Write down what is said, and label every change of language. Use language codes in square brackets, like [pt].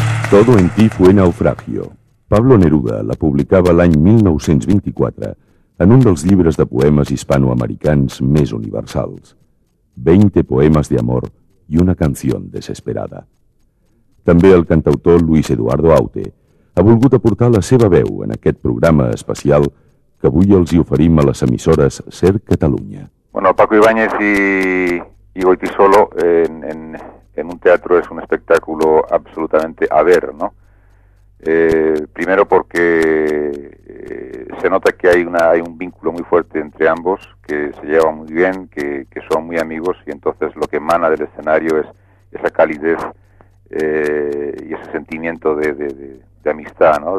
[es] Todo en ti fue naufragio. [ca] Pablo Neruda la publicava l'any 1924 en un dels llibres de poemes hispanoamericans més universals. [es] 20 poemes de amor y una canción desesperada. [ca] També el cantautor Luis Eduardo Aute ha volgut aportar la seva veu en aquest programa especial que avui els hi oferim a les emissores SER Catalunya. [es] Bueno, Paco Ibáñez y Goytisolo en un teatro es un espectáculo absolutamente a ver, ¿no? Primero porque se nota que hay un vínculo muy fuerte entre ambos, que se lleva muy bien, que son muy amigos, y entonces lo que emana del escenario es esa calidez y ese sentimiento de amistad, ¿no?